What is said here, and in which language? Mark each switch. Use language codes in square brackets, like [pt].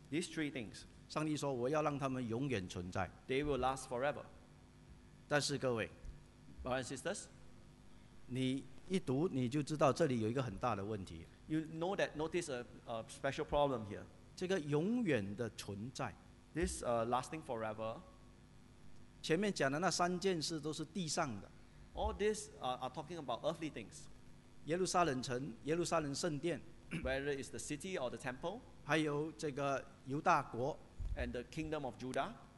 [en] These three things, [zh] 上帝说我要让他们永远存在。 [en] They will last forever. [zh] 但是各位 [en] brothers and sisters, [zh] 你一读你就知道这里有一个很大的问题。 [en] You know that notice a special problem here. [zh] 这个永远的存在 [en] ，this lasting forever. [zh] 前面讲的那三件事都是地上的。 [en] All this are talking about earthly things. [zh] 耶路撒冷城，耶路撒冷圣殿 [en] ，whether it's the city or the temple. [zh] 还有这个犹大国 [en] ，and the kingdom of Judah.